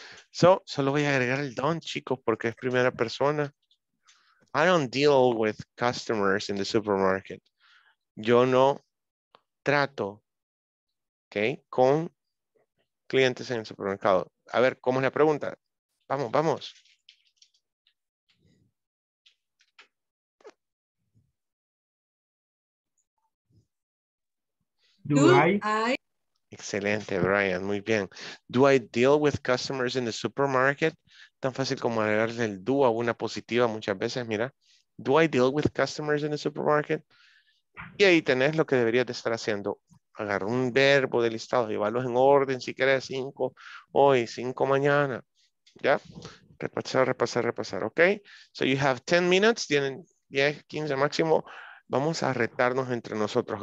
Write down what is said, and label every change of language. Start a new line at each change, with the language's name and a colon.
Spanish: So, solo voy a agregar el don, chicos, porque es primera persona.
English: I don't deal with customers in the supermarket.
Spanish: Yo no trato, okay, con clientes en el supermercado. A ver, ¿cómo es la pregunta? Vamos, vamos.
English: Do I?
Spanish: Excelente, Brian. Muy bien.
English: Do I deal with customers in the supermarket?
Spanish: Tan fácil como agregarle el do a una positiva muchas veces.
English: Mira, do I deal with customers in the supermarket?
Spanish: Y ahí tenés lo que deberías de estar haciendo. Agarra un verbo del listado, llevarlos en orden, si querés, 5 hoy, 5 mañana. ¿Ya? Repasar, repasar, repasar. ¿Ok?
English: So you have 10 minutes.
Spanish: Tienen 10, 15 máximo. Vamos a retarnos entre nosotros.